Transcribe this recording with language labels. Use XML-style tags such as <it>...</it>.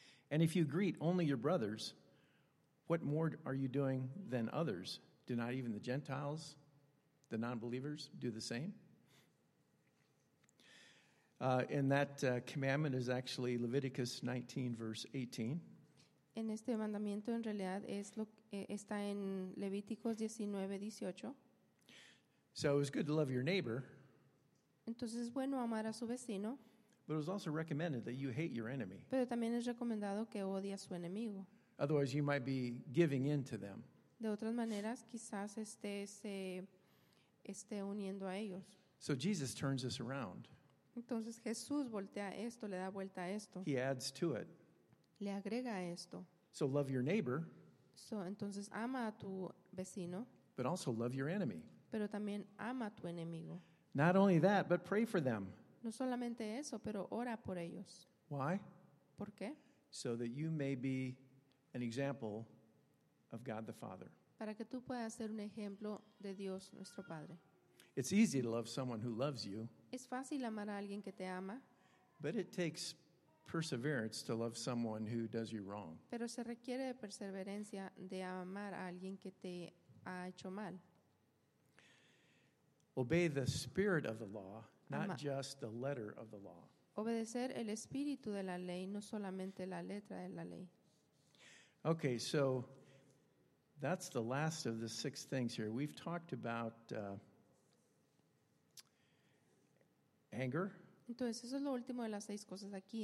<en>And if you greet only your brothers, what more are you doing than others? Do not even the Gentiles, the non-believers, do the same? And that commandment is actually Leviticus 19, verse 18.</en> <es>En este mandamiento en realidad está en Levíticos 19:18.</es> <en>So it was good to love your neighbor.</en> <es>Entonces es bueno amar a su vecino.</es> <en>But it was also recommended that you hate your enemy.</en> <es>Pero también es recomendado que odie a su enemigo.</es> <en>Otherwise you might be giving in to them.</en> <es>De otras maneras quizás esté uniendo a ellos.</es> <en>So Jesus turns this around.</en> <es>Entonces Jesús voltea esto, le da vuelta a esto.</es> <en>He adds to it.</en> <es>Le agrega esto.</es> <en>So love your neighbor.</en> <es>So entonces ama a tu vecino.</es> <en>But also love your enemy.</en> <es>Pero también ama a tu enemigo.</es> <en>Not only that, but pray for them.</en> <es>No solamente eso, pero ora por ellos.</es> <en>Why?</en> <es>¿Por qué?</es> <en>So that you may be an example of God the Father.</en> <es>Para que tú puedas ser un ejemplo de Dios nuestro Padre.</es> <en>It's easy to love someone who loves you.</en> <es>Es fácil amar a alguien que te ama.</es> <en>But it takes perseverance to love someone who does you wrong.</en> <es>Pero se requiere de perseverancia de amar a alguien que te ha hecho mal.</es> <en>Obey the spirit of the law, not just the letter of the law.</en> <es>Obedecer el espíritu de la ley, no solamente la letra de la ley.</es> <en>Okay, so that's the last of the 6 things here. We've talked about anger.</en> <es>Entonces, eso es lo último de las 6 cosas aquí.</es>